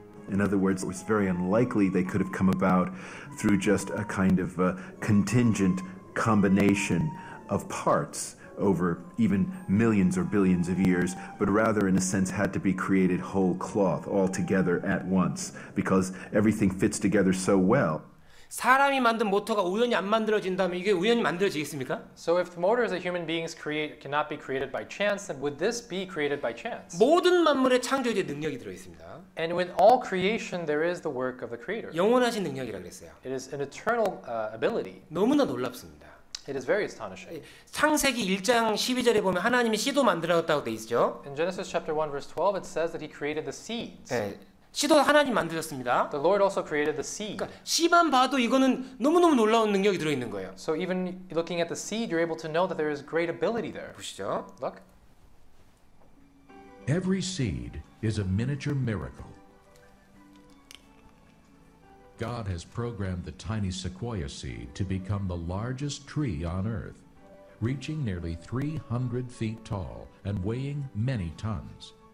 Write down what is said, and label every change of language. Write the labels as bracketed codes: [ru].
[en] In other words, it was very unlikely they could have come about through just a kind of a contingent combination of parts over even millions or billions of years, but rather, in a sense, had to be created whole cloth, all together at once, because everything fits together so well. [ko] 사람이 만든 모터가 우연히 안 만들어진다면 이게 우연히 만들어지겠습니까? [en] So if the motors that human beings create cannot be created by chance, then would this be created by chance? [ko] 모든 만물의 창조주의 능력이 들어 있습니다. [en] And with all creation, there is the work of the creator. [ko] 영원하신 능력이라고 했어요. [en] It is an eternal ability. [ko] 너무나 놀랍습니다. [en] It is very astonishing. [ko] 창세기 1장 12절에 보면 하나님이 씨도 만들었다고 돼 있죠. [en] In Genesis chapter 1 verse 12 it says that he created the seeds. [ko] 네. 씨도 하나님 만드셨습니다. [en] The Lord also created the seed. [ko] 그러니까 씨만 봐도 이거는 너무너무 놀라운 능력이 들어 있는 거예요. [en] So even looking at the seed you're able to know that there is great ability there. [ko] 보시죠. [en] Look. Every seed is a miniature miracle. God has programmed the tiny sequoia seed to become the largest tree on earth, reaching nearly 300 feet tall and weighing many tons.